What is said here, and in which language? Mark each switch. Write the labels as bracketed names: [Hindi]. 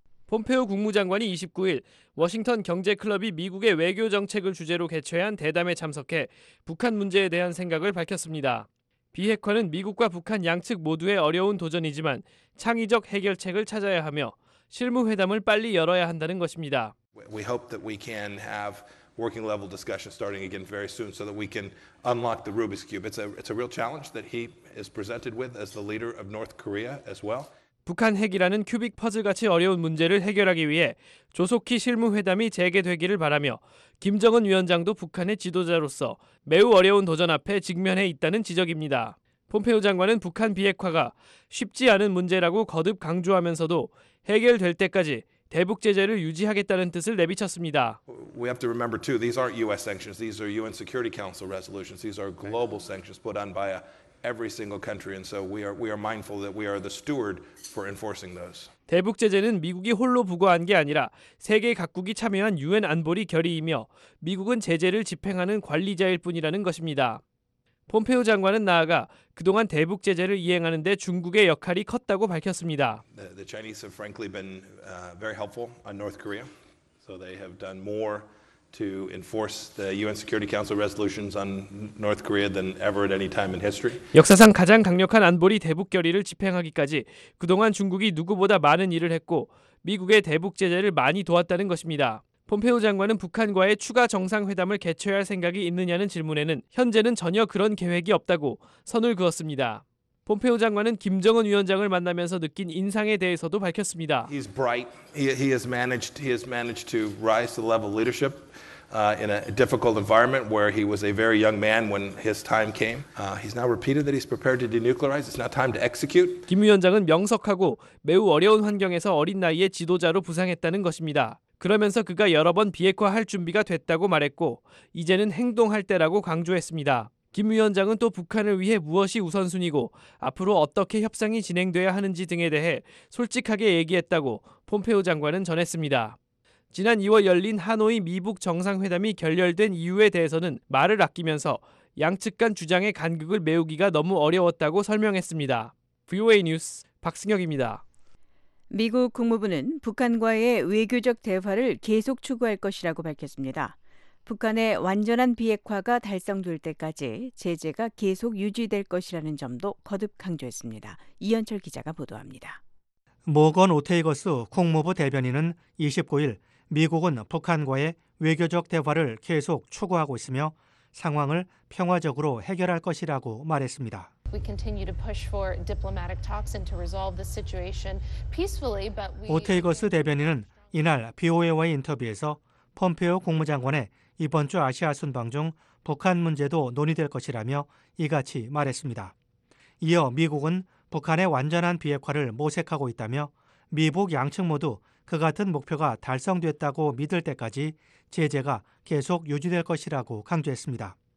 [Korean] 폼페오 국무장관이 29일 워싱턴 경제클럽이 미국의 외교 정책을 주제로 개최한 대담에 참석해 북한 문제에 대한 생각을 밝혔습니다. 비핵화는 미국과 북한 양측 모두의 어려운 도전이지만 창의적 해결책을 찾아야 하며 실무회담을 빨리 열어야 한다는 것입니다. [English] We hope that we can have working level discussion starting again very soon so that we can unlock the Rubik's cube. It's a real challenge that he is presented with as the leader of North Korea as well. [Korean] 북한 핵이라는 큐빅 퍼즐 같이 어려운 문제를 해결하기 위해 조속히 실무 회담이 재개되기를 바라며 김정은 위원장도 북한의 지도자로서 매우 어려운 도전 앞에 직면해 있다는 지적입니다. 폼페오 장관은 북한 비핵화가 쉽지 않은 문제라고 거듭 강조하면서도 해결될 때까지 대북 제재를 유지하겠다는 뜻을 내비쳤습니다. [English] We have to remember too, these aren't US sanctions. These are UN Security Council resolutions. These are global sanctions put on by every single country and so we are mindful that we are the steward for enforcing those. [Korean] 대북 제재는 미국이 홀로 부과한 게 아니라 세계 각국이 참여한 UN 안보리 결의이며 미국은 제재를 집행하는 관리자일 뿐이라는 것입니다. 폼페오 장관은 나아가 그동안 대북 제재를 이행하는 데 중국의 역할이 컸다고 밝혔습니다. [English] The Chinese have frankly been very helpful on North Korea. So they have done more to enforce the UN Security Council resolutions on North Korea than ever at any time in history. [Korean] 역사상 가장 강력한 안보리 대북 결의를 집행하기까지 그동안 중국이 누구보다 많은 일을 했고 미국의 대북 제재를 많이 도왔다는 것입니다. 폼페오 장관은 북한과의 추가 정상회담을 개최할 생각이 있느냐는 질문에는 현재는 전혀 그런 계획이 없다고 선을 그었습니다. 폼페오 장관은 김정은 위원장을 만나면서 느낀 인상에 대해서도 밝혔습니다. [English] He's bright. He has managed to rise to the level of leadership in a difficult environment where he was a very young man when his time came. He's now repeated that he's prepared to denuclearize. It's now time to execute. [Korean] 김 위원장은 명석하고 매우 어려운 환경에서 어린 나이에 지도자로 부상했다는 것입니다. 그러면서 그가 여러 번 비핵화할 준비가 됐다고 말했고 이제는 행동할 때라고 강조했습니다. 김 위원장은 또 북한을 위해 무엇이 우선순위고 앞으로 어떻게 협상이 진행돼야 하는지 등에 대해 솔직하게 얘기했다고 폼페오 장관은 전했습니다. 지난 2월 열린 하노이 미북 정상회담이 결렬된 이유에 대해서는 말을 아끼면서 양측 간 주장의 간극을 메우기가 너무 어려웠다고 설명했습니다. VOA 뉴스 박승혁입니다. 미국 국무부는 북한과의 외교적 대화를 계속 추구할 것이라고 밝혔습니다. 북한의 완전한 비핵화가 달성될 때까지 제재가 계속 유지될 것이라는 점도 거듭 강조했습니다. 이현철 기자가 보도합니다. 모건 오테이거스 국무부 대변인은 29일 미국은 북한과의 외교적 대화를 계속 추구하고 있으며 상황을 평화적으로 해결할 것이라고 말했습니다. [English] We continue to push for diplomatic talks and to resolve the situation peacefully, but we [Korean] 오테이거스 대변인은 이날 BOA와의 인터뷰에서 폼페오 국무장관의 이번 주 아시아 순방 중 북한 문제도 논의될 것이라며 이같이 말했습니다. 이어 미국은 북한의 완전한 비핵화를 모색하고 있다며 미북 양측 모두 그 같은 목표가 달성됐다고 믿을 때까지 제재가 계속 유지될 것이라고 강조했습니다.